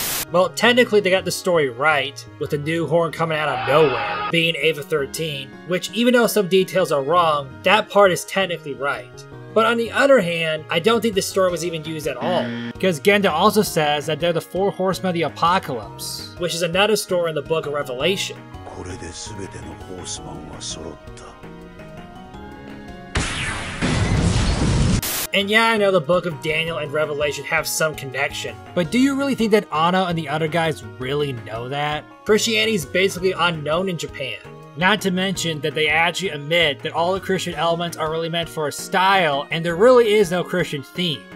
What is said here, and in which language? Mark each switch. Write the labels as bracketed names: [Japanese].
[English] Well, technically they got the story right, with the new horn coming out of nowhere, being Eva 13, which even though some details are wrong, that part is technically right. But on the other hand, I don't think this story was even used at all, because Gendo also says that they're the four horsemen of the apocalypse, which is another story in the Book of Revelation. [Japanese] これで全てのホースマンは揃った。 [English] And yeah, I know the Book of Daniel and Revelation have some connection, but do you really think that Anno and the other guys really know that? Christianity is basically unknown in Japan. Not to mention that they actually admit that all the Christian elements are really meant for a style, and there really is no Christian theme.